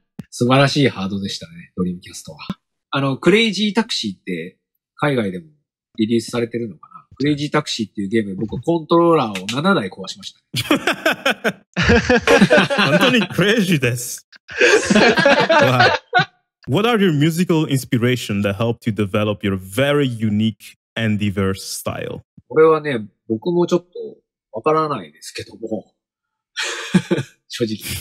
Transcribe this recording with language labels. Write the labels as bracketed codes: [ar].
[ja] 素晴らしいハードでしたね、Dreamcast は。クレイジータクシーって海外でもリリースされてるのかな？クレイジータクシーっていうゲーム、僕はコントローラーを7台壊しました。本当にクレイジーです。 [en] What are your musical inspiration that helped you develop your very unique and diverse style? [ja] これはね、僕もちょっとわからないですけども、正直。